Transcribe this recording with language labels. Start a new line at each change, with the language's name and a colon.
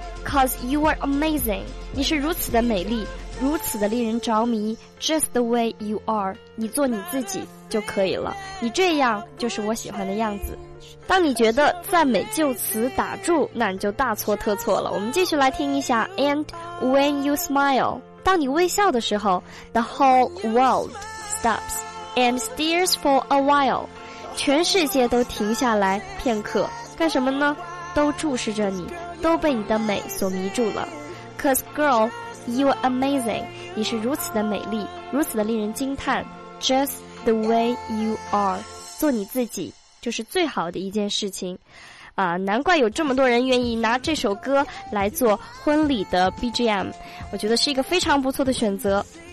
English: Cause you are amazing，
Chinese: 你是如此的美丽，如此的令人着迷。
English: Just the way you are，
Chinese: 你做你自己就可以了，你这样就是我喜欢的样子。当你觉得赞美就此打住，那你就大错特错了。我们继续来听一下。
English: And when you smile，
Chinese: 当你微笑的时候，
English: The whole world stops and stares for a while，
Chinese: 全世界都停下来片刻，干什么呢？都注视着你，都被你的美所迷住了。
English: Cause girl you are amazing，
Chinese: 你是如此的美丽，如此的令人惊叹。
English: Just the way you are，
Chinese: 做你自己就是最好的一件事情啊！难怪有这么多人愿意拿这首歌来做婚礼的 BGM， 我觉得是一个非常不错的选择。